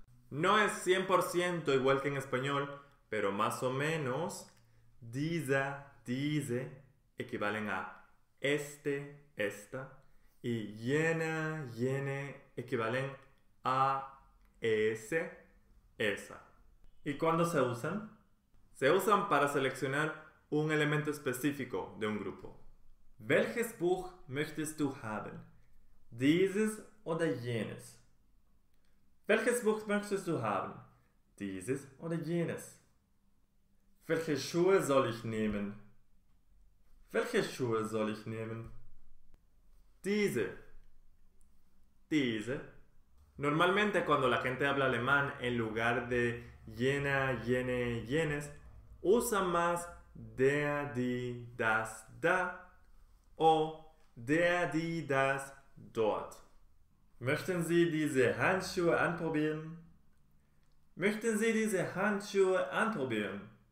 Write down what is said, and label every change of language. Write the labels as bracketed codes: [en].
[es] No es 100% igual que en español, pero más o menos, diese, diese, equivalen a este, esta, y jene, jene, equivalen a ese, esa. ¿Y cuándo se usan? Se usan para seleccionar un elemento específico de un grupo. [de] ¿Welches Buch möchtest du haben? ¿Dieses oder jenes? ¿Welches Buch möchtest du haben? ¿Dieses oder jenes? ¿Welche Schuhe soll ich nehmen? ¿Welche Schuhe soll ich nehmen? Diese. Diese. [es] Normalmente cuando la gente habla alemán, en lugar de jena, jene, jenes, usa más der, die, das, da o der, die, das, dort. [de] Möchten Sie diese Handschuhe anprobieren? Möchten Sie diese Handschuhe anprobieren?